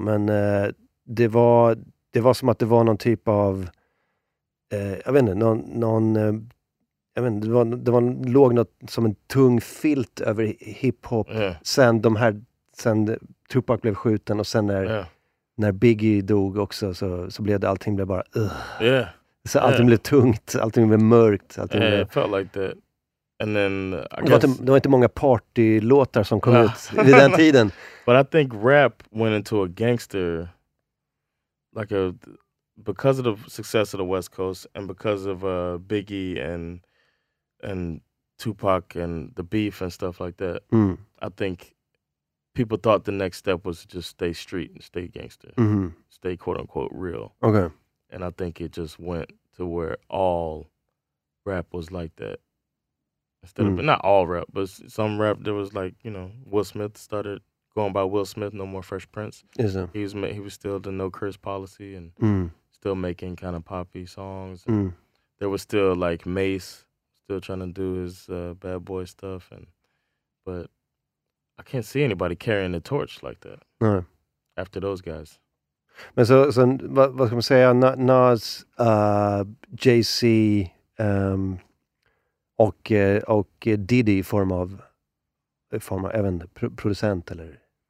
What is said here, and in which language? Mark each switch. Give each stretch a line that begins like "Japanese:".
Swedish: Men det var som att det var någon typ av det var låg något som en tung filt över hiphop sen Tupac blev skjuten och sen när Biggie dog också så blev det, allting blev bara så allting blev tungt, allting blev mörkt, allting blev,
English: it felt like that. And then
Swedish: det var inte många partylåtar som kom ut vid den tiden.
English: But I think rap went into a gangster like a because of the success of the West Coast and because of Biggie and Tupac and the beef and stuff like that. I think people thought the next step was to just stay street and stay gangster, stay quote unquote real. Okay. And I think it just went to where all rap was like that. instead of not all rap, but some rap that was like, you know, Will Smith started going by Will Smith, no more Fresh Prince. Is it? He was still the no curse policy and still making kind of poppy songs. Mm. There was still like Mace still trying to do his Bad Boy stuff, but I can't see anybody carrying the torch like that after those guys.
Swedish: Men så vad ska man säga, Nas, Jay-Z och Diddy i form av även producent eller